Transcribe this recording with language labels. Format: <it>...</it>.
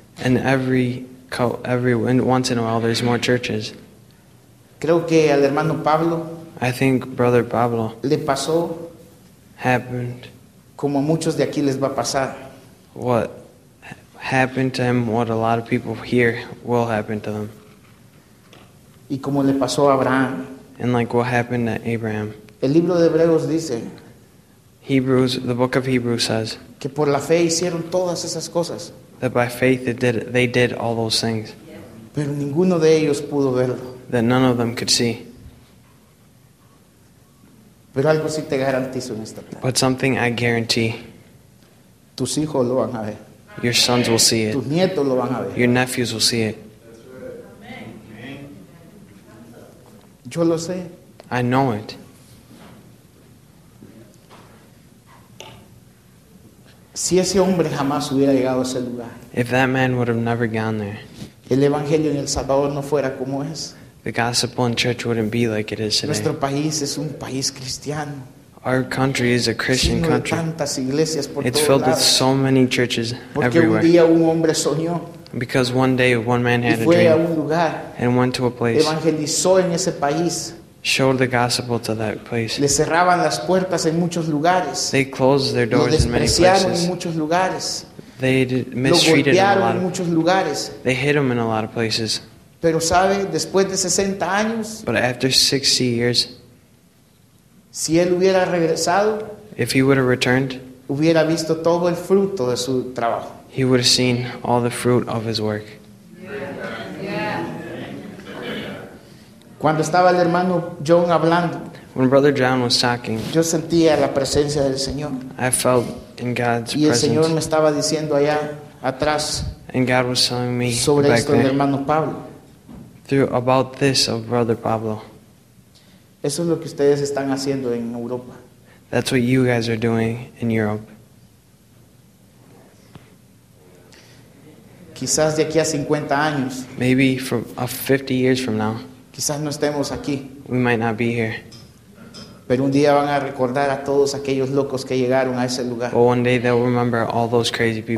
<en>And every once in a while there's more churches.</en> <es>Creo que al hermano Pablo,</es> <en>I think brother Pablo,</en> <es>le pasó,</es> <en>happened,</en> <es>como a muchos de aquí les va a pasar.</es> <en>What happened to him, what a lot of people here will happen to them.</en> <es>Y como le pasó a Abraham,</es> <en>and like what happened to Abraham.</en> <es>El libro de Hebreos dice,</es> <en>Hebrews, the book of Hebrews says,</en> <es>que por la fe hicieron todas esas cosas.</es> <en>That by faith they did all those things.</en> <es>Pero ninguno de ellos pudo verlo.</es> <en>That none of them could see.</en> <es>Pero algo sí te garantizo en esta tarde.</es> <en>But something I guarantee.</en> <es>Tus hijos lo van a ver.</es> <en>Your sons will see it.</en> <es>Tus nietos lo van a ver.</es> <en>Your nephews will see it.</en> <es>Yo lo sé.</es> <en>I know it.</en> <es>Si ese hombre jamás hubiera llegado a ese lugar.</es> <en>If that man would have never gone there.</en> <es>El evangelio en El Salvador no fuera como es.</es> <en>The gospel in church wouldn't be like it is today.</en> <es>Nuestro país es un país cristiano.</es> <en>Our country is a Christian country.</en> <es>Tantas iglesias por todo lado.</es> <en>It's filled with so many churches everywhere.</en> <es>Porque un día un hombre soñó.</es> <en>Because one day one man had a dream.</en> <es>A un lugar,</es> <en>and went to a place.</en> <es>Evangelizó en ese país.</es> <en>Showed the gospel to that place.</en> <es>Le cerraban las puertas en muchos lugares.</es> <en>They closed their doors in many places.</en> <es>En muchos lugares.</es> <en>They mistreated</en> <es>lo golpearon</es> <en>him a lot</en> <es>en muchos lugares.</es> <en>They hit him in a lot of places.</en> <es>Pero sabe, después de 60 años,</es> <en>but after 60 years,</en> <es>si él hubiera regresado,</es> <en>if he would have returned,</en> <es>hubiera visto todo el fruto de su trabajo.</es> <en>He would have seen all the fruit of his work.</en> <es>Cuando estaba el hermano John hablando,</es> <en>when brother John was talking,</en> <es>yo sentía la presencia del Señor.</es> <en>I felt in God's presence.</en> <es>Y el Señor me estaba diciendo allá atrás,</es> <en>and God was telling me</en> <es>sobre</es> <en>back</en> <es>esto del hermano Pablo.</es> <en>Through about this of brother Pablo.</en> <es>Eso es lo que ustedes están haciendo en Europa.</es> <en>That's what you guys are doing in Europe.</en> <es>Quizás de aquí a 50 años.</es> <en>Maybe from 50 years from now.</en> <es>Quizás no estemos aquí.</es> <en>We might not be here.</en> <es>Pero un día van a recordar a todos aquellos locos que llegaron a ese lugar.</es> <en>But one day they'll remember all those crazy people</en>